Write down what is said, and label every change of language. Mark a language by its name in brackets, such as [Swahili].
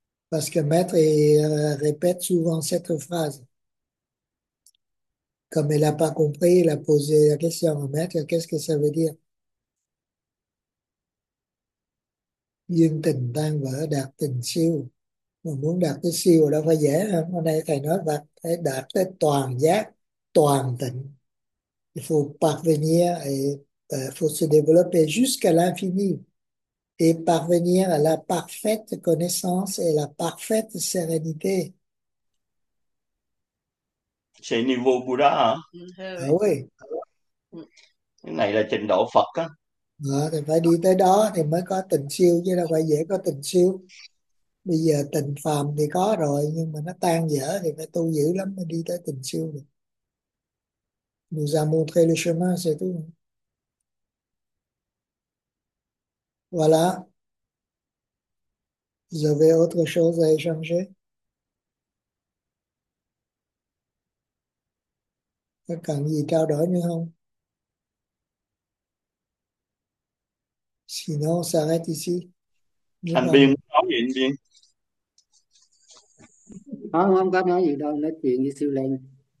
[French] Parce que Maître répète souvent cette phrase. Comme elle n'a pas compris, il a posé la question au Maître, qu'est-ce que ça veut dire? [Vietnamese] Duyên tình tan vỡ đạt tình siêu. Mà muốn đạt tới siêu đâu phải dễ không? Hôm nay thầy nói là phải đạt tới toàn giác, toàn tịnh. [French] Il faut parvenir et faut se développer jusqu'à l'infini et parvenir à la parfaite connaissance et la parfaite sérénité. C'est niveau Bouddha, Ah oui. [Vietnamese] này là trình độ Phật á. À, thì phải đi tới đó thì mới có tình siêu chứ đâu phải dễ có tình siêu. Bây giờ tình phàm thì có rồi nhưng mà nó tan dở thì phải tu dữ lắm mới đi tới tình siêu được. [French] Nous avons montré le chemin, c'est tout. Voilà. Vous avez autre chose à échanger? [Vietnamese] Có cần gì trao đổi nữa không? [French] Sinon, on s'arrête ici. Nếu [Vietnamese] Thành Biên mà... muốn nói gì anh Biên? Không có nói gì đâu, nói chuyện với siêu lên.